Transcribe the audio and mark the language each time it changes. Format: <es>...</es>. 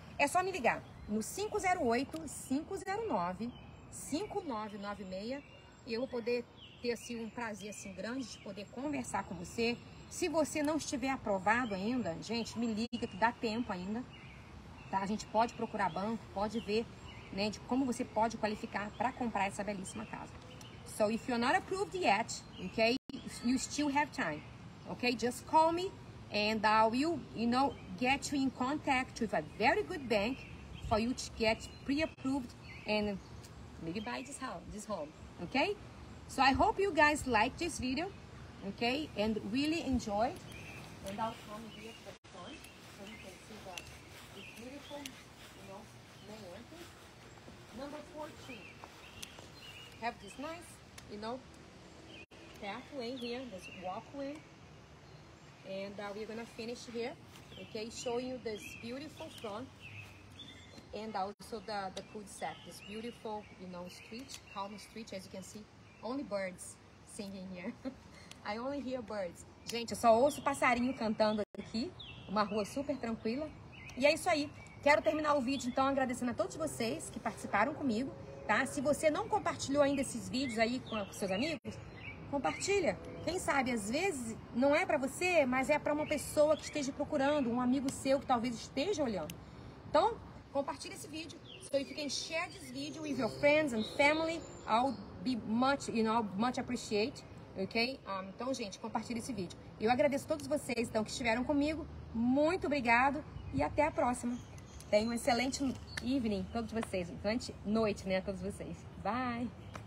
<pt>É só me ligar no 508-509-5996 e eu vou poder ter assim, um prazer assim, grande de poder conversar com você. Se você não estiver aprovado ainda, gente, me liga que dá tempo ainda, tá? A gente pode procurar banco, pode ver, né, de como você pode qualificar para comprar essa belíssima casa.</pt> <en>So, if you're not approved yet, okay, you still have time, okay? Just call me and I will, you know, get you in contact with a very good bank for you to get pre-approved and maybe buy this home, okay? So I hope you guys like this video, okay? And really enjoy. And I'll come here for the front, so you can see the beautiful, you know, main entrance. Number 14. Have this nice, you know, pathway here, this walkway. And we're gonna finish here, okay? Showing you this beautiful front. And also the cul-de-sac, this beautiful, you know, street, calm street, as you can see, only birds singing here. I only hear birds.</en> <pt>Gente, eu só ouço passarinho cantando aqui, uma rua super tranquila. E é isso aí. Quero terminar o vídeo, então, agradecendo a todos vocês que participaram comigo, tá? Se você não compartilhou ainda esses vídeos aí com seus amigos, compartilha. Quem sabe, às vezes, não é pra você, mas é pra uma pessoa que esteja procurando, um amigo seu que talvez esteja olhando. Então, compartilhe esse vídeo.</pt> <en>So if you can share this video with your friends and family, I'll be much, you know, much appreciate, okay?</en> <pt>Então, gente, compartilhe esse vídeo. Eu agradeço a todos vocês, então, que estiveram comigo. Muito obrigado e até a próxima. Tenham um excelente evening, todos vocês. Excelente noite, né, a todos vocês. Bye!</pt>